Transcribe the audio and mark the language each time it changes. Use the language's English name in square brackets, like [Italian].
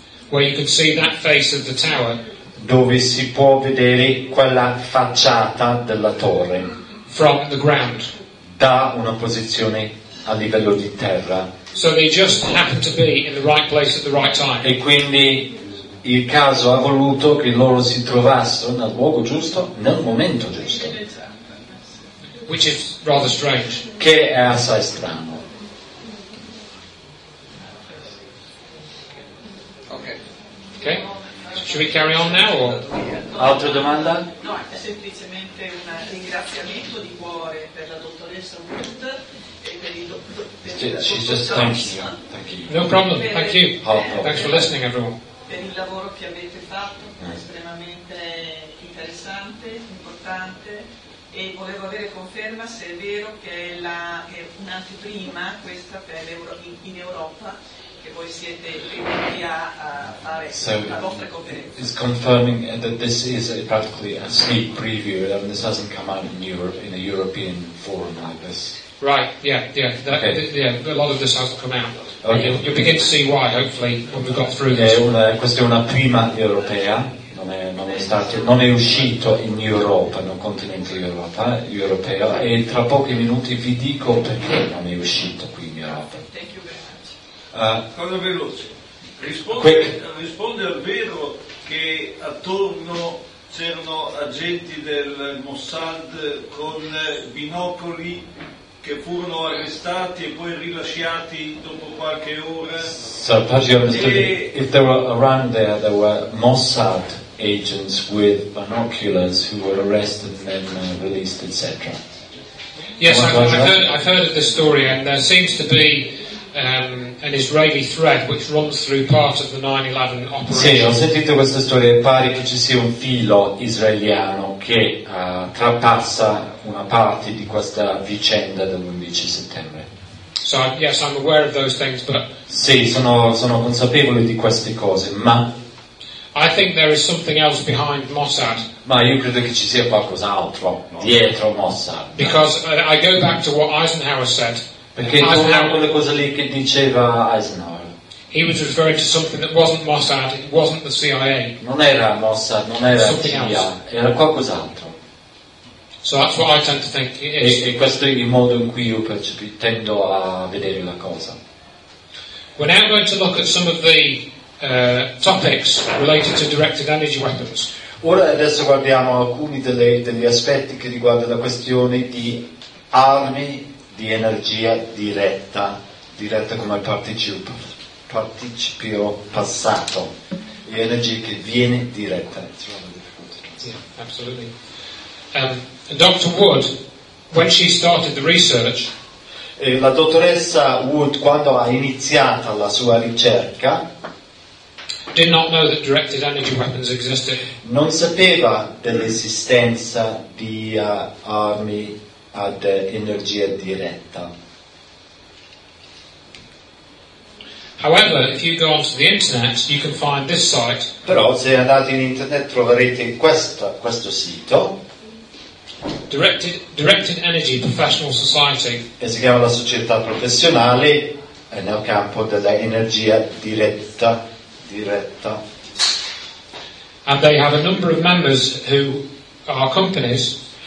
[English] where you can see that face of the tower. [Italian] Dove si può vedere quella facciata della torre. [English] From the ground. [Italian] Da una posizione a livello di terra. [English] So they just happened to be in the right place at the right time. [Italian] E quindi il caso ha voluto che loro si trovassero nel luogo giusto, nel momento giusto. [English] Which is rather strange. [Italian] Che è assai strano. [English] Okay. Should we carry on now? Or? [Italian] Altra domanda? No, è semplicemente un ringraziamento di cuore per la dottoressa Wood e per il per il lavoro che avete fatto, estremamente interessante, importante, e volevo avere conferma se è vero che è la che un'anteprima questa per l'Euro, in Europa. [English] So it's confirming that this is a, practically a sneak preview, and this hasn't come out in Europe in a European forum like this. Right. A lot of this has come out. Okay. You'll begin to see why. Hopefully, when we've got through this. [Italian] Questa è una prima europea. Non è uscito in Europa, non continente Europa, europeo. E tra pochi minuti vi dico perché non è uscito qui in Europa. Cosa veloce, risponde al vero che attorno c'erano agenti del Mossad con binocoli che furono arrestati e poi rilasciati dopo qualche ora? [English] So perhaps you understood if there were around there were Mossad agents with binoculars who were arrested and then released, etc. Yes, I've heard of this story, and there seems to be an Israeli thread which runs through part of the 9/11 operation. [Italian] Sì, ho sentito questa storia. Pare che ci sia un filo israeliano che trapassa una parte di questa vicenda dell'11 settembre. [English] So, yes, I'm aware of those things, but [Italian] sì, sono consapevole di queste cose, ma [English] I think there is something else behind Mossad. [Italian] Ma io credo che ci sia qualcos'altro dietro Mossad. [English] Because I go back to what Eisenhower said. [Italian] Perché non è quella cosa lì che diceva Eisenhower. [English] He was referring to something that wasn't Mossad, it wasn't the CIA. [Italian] Non era Mossad, non era [English] something [Italian] CIA, [English] else. [Italian] Era qualcos'altro. [English] So that's what I tend to think it is. [Italian] E questo è il modo in cui io tendo a vedere la cosa. [English] We're now going to look at some of the topics related to directed energy weapons. [Italian] Ora adesso guardiamo alcuni degli aspetti che riguardano la questione di armi di energia diretta come participio passato, di energia che viene diretta. [English] Yeah, absolutely. Dr. Wood, when she started the research, [Italian] la dottoressa Wood, quando ha iniziato la sua ricerca, [English] did not know that directed energy weapons existed. [Italian] Non sapeva dell'esistenza di armi ad energia diretta. [English] However, if you go onto the internet, you can find this site. [Italian] Però se andate in internet troverete questo sito. [English] Directed Energy Professional Society. [Italian] E si chiama la società professionale nel campo dell'energia diretta. [English] And they have a number of members who are companies.